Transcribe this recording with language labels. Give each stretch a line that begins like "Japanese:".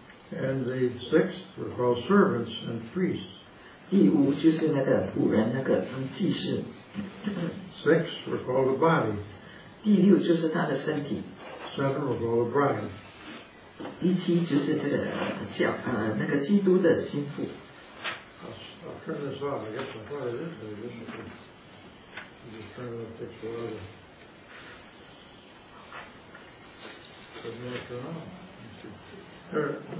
English: And the sixth were called servants and priests.
Chinese: 第五就是那个仆人，那个祭司。
English: Six were called a body.
Chinese: 第六就是他的身体。
English: Seven were called a bride.
Chinese: 第七就是这个叫那个基督的心腹。
English: I'll turn this off. I guess I thought it is, but it isn't. You just turn it off. Turn it off. Turn it off.